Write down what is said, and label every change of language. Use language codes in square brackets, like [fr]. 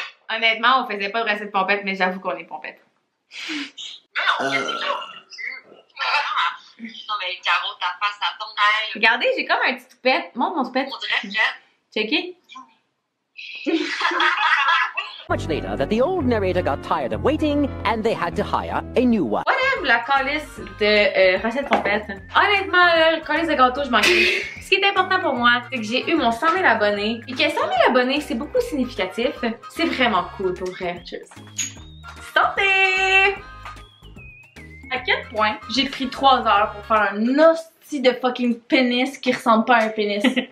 [fr] Honnêtement, on faisait pas de recette pompette, mais j'avoue qu'on est pompette. Non, mais Caro, ta face, ça tombe. Regardez, j'ai comme un petit toupette. Montre mon toupette. On dirait que... Checké. [en] Much later, that the old narrator got tired of waiting and they had to hire a new one. What if [fr] la calice de recette pompette? Honnêtement, la calice de gâteau, je m'en fous. Ce qui est important pour moi, c'est que j'ai eu mon 100 000 abonnés. Et que 100 000 abonnés, c'est beaucoup significatif. C'est vraiment cool pour vrai. [en] Cheers. [fr] Santé! À quel point j'ai pris 3 heures pour faire un hostie de fucking pénis qui ressemble pas à un pénis?